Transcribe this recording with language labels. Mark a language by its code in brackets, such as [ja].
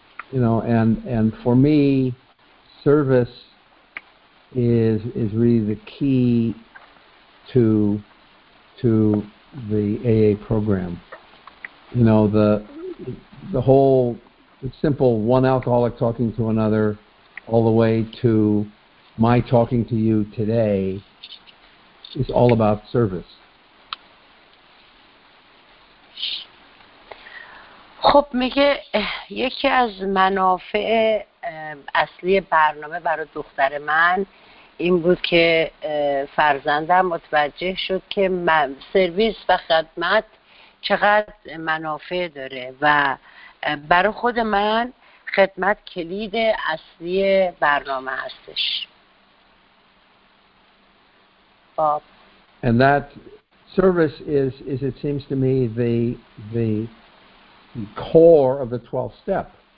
[en] You know, and for me, service is really the key to the AA program. You know, the whole simple one alcoholic talking to another, all the way to my talking to you today, is all about service. [fa] خب میگه یکی از منافع اصلی برنامه برای دختر من این بود که فرزندم متوجه شد که سرویس و خدمت چقدر منافع داره و برای خود من خدمت کلید اصلی برنامه هستش. باب. [en] And that service is it seems to me the core of the 12th step.